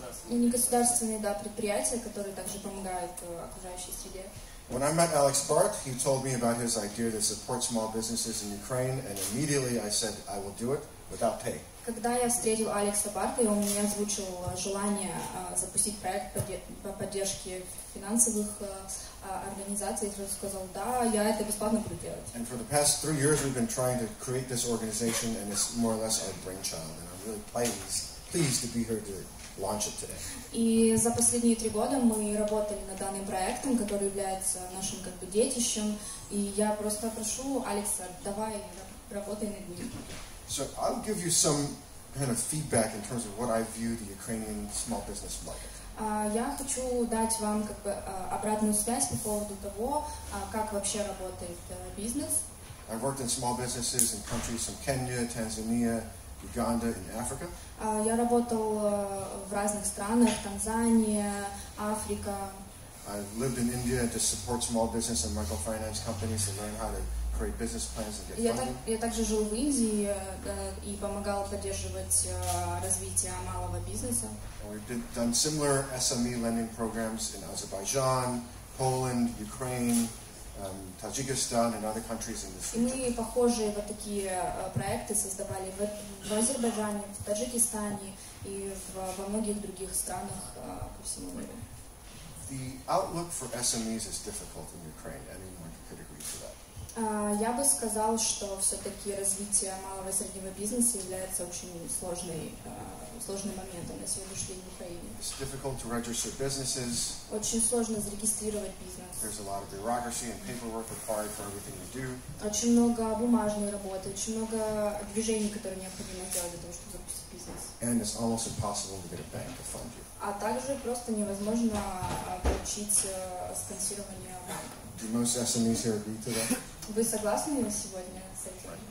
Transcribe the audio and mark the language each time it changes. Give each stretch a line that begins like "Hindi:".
Russian: негосударственные, да, предприятия, которые также помогают окружающей среде.
English: When I met Alex Bart, he told me about his idea to support small businesses in Ukraine, and immediately I said, I will do it without pay.
Russian: Когда я встретил Алекса Барта, и он мне озвучил желание запустить проект по поддержке финансовых организаций, я сказал, да, я это бесплатно буду делать.
English: And for the past 3 years, we've been trying to create this organization, and it's more or less our brainchild, and I'm really pleased to be here to launch it today.
Russian: И за последние 3 года мы работали над данным проектом, который является нашим как бы детищем, и я просто прошу Алекса, давай работай над ним.
English: So I'll give you some kind of feedback in terms of what I view the Ukrainian small business market.
Russian: Я хочу дать вам как бы обратную связь по поводу того, как вообще работает бизнес.
English: I've worked in small businesses in countries from Kenya, Tanzania, Uganda, and Africa.
Russian: Я работал в разных странах: Танзания, Африка.
English: I've lived in India to support small business and microfinance companies to learn how to create business plans and get funding.
Russian: Я также жил в Индии и помогал поддерживать развитие малого бизнеса.
English: We've done similar SME lending programs in Azerbaijan, Poland, Ukraine, Tajikistan, and other countries in this region.
Russian: И мы похожие вот такие проекты создавали в Азербайджане, в Таджикистане и во многих других странах по всему миру.
English: The outlook for SMEs is difficult in Ukraine. Anyone could agree to that.
Russian: Я бы сказал, что все-таки развитие малого и среднего бизнеса является очень сложным моментом на сегодняшний день в Украине.
English: It's difficult to register businesses.
Russian: Очень сложно зарегистрировать бизнес.
English: There's a lot of bureaucracy and paperwork required for everything you do.
Russian: Очень много бумажной работы, очень много движений, которые необходимо сделать для того, чтобы запустить бизнес.
English: And it's almost impossible to get a bank to fund you.
Russian: А также просто невозможно получить спонсирование банка.
English: Do most SMEs here agree to that?
Russian: Вы согласны на сегодня с этим?